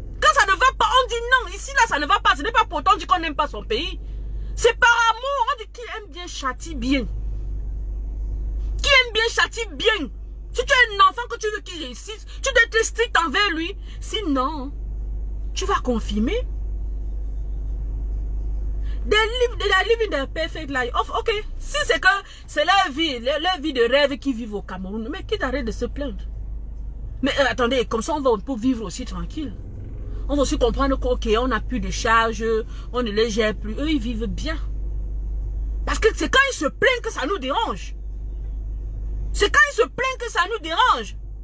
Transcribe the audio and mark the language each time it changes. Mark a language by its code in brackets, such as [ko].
[fr] Quand ça ne va pas, on dit non. Ici, là, ça ne va pas. Ce n'est pas pour autant qu'on n'aime pas son pays. C'est par amour. On dit, qui aime bien, châtie bien. Qui aime bien, châtie bien. Si tu as un enfant que tu veux qu'il réussisse, tu dois être strict envers lui. Sinon, tu vas confirmer. [en] They live in their perfect life. [fr] Of, ok, si c'est que c'est leur vie de rêve qu'ils vivent au Cameroun, mais qui t'arrête de se plaindre? Mais attendez, comme ça on va pour vivre aussi tranquille. On va aussi comprendre qu'ok, on n'a plus de charges, on ne les gère plus. Eux, ils vivent bien. Parce que c'est quand ils se plaignent que ça nous dérange. C'est quand ils se plaignent que ça nous dérange.